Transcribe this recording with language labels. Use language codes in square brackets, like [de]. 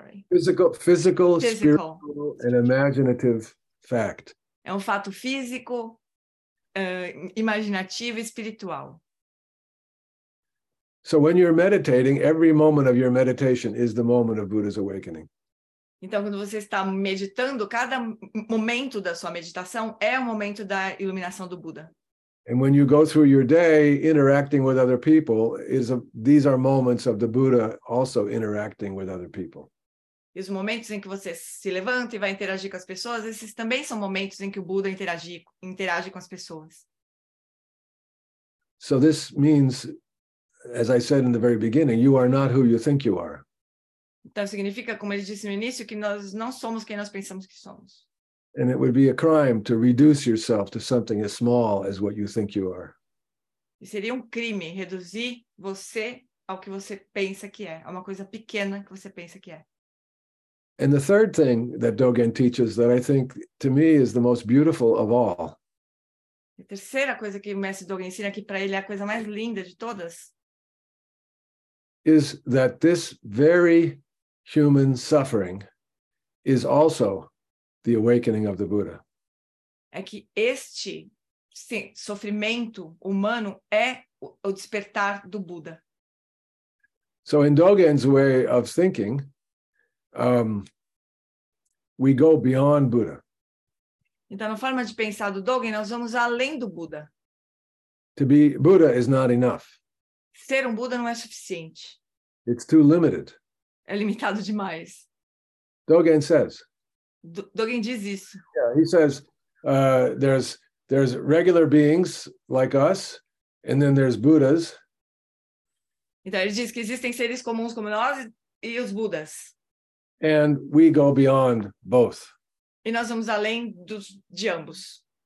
[en] Physical, spiritual, and imaginative fact. [pt] É um fato físico, imaginativo e espiritual. [en] So when you're meditating, every moment of your meditation is the moment of Buddha's awakening. [pt] Então, quando você está meditando, cada momento da sua meditação é o momento da iluminação do Buda. [en] And when you go through your day interacting with other people, these are moments of the Buddha also interacting with other people. [pt] E os momentos em que você se levanta e vai interagir com as pessoas, esses também são momentos em que o Buda interage com as pessoas. [en] So this means, as I said in the very beginning, you are not who you think you are. [pt] Então significa, como ele disse no início, que nós não somos quem nós pensamos que somos. [en] And it would be a crime to reduce yourself to something as small as what you think you are. [pt] E seria um crime reduzir você ao que você pensa que é, a uma coisa pequena que você pensa que é. [en] And the third thing that Dogen teaches that I think to me is the most beautiful of all. [pt] A terceira coisa que o mestre Dogen ensina, que para ele é a coisa mais linda de todas, [en] is that this very human suffering is also the awakening of the Buddha. [pt] É que este sofrimento humano é o despertar do Buda. [en] So in Dogen's way of thinking, we go beyond Buddha. [pt] Então, na forma de pensar do Dogen, nós vamos além do Buda. [en] To be Buddha is not enough. [pt] Ser Buda não é suficiente. [en] It's too limited. [pt] É limitado demais. [en] Dogen says. [pt] Dogen diz isso. [en] Yeah, he says there's regular beings like us, and then there's Buddhas. [pt] Então ele diz que existem seres comuns como nós e os Budas. [en] And we go beyond both. [pt] E nós vamos além de ambos.